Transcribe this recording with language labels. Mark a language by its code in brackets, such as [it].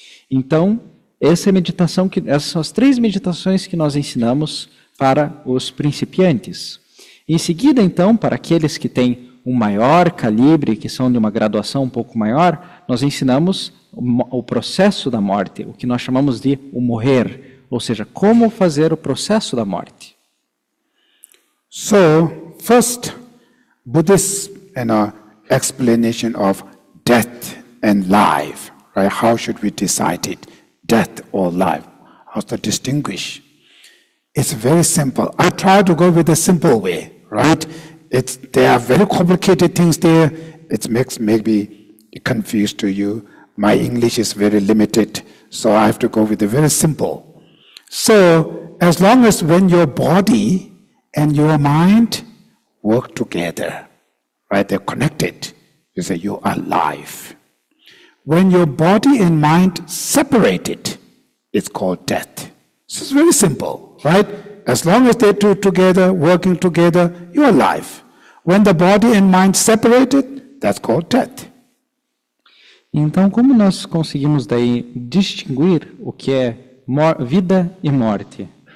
[pt] Então, essas são as três meditações que nós ensinamos para os principiantes. Em seguida, então, para aqueles que têm um maior calibre, que são de uma graduação um pouco maior, nós ensinamos o processo da morte, o que nós chamamos de o morrer, ou seja, como fazer o processo da morte. [en] So, first, Buddhist explanation of death and life, right? How should we decide it, death or life? How to distinguish? It's very simple. I try to go with the simple way, right? There are very complicated things there. It makes maybe confused to you. My English is very limited, So I have to go with the very simple. So as long as when your body and your mind work together, right, they're connected, you say you are alive. When your body and mind separated, it's called death. So it's very simple, right? As long as they're two together, working together, you're alive. When the body and mind separated, that's called death. [pt] Então, como nós conseguimos daí distinguir o que é vida e morte?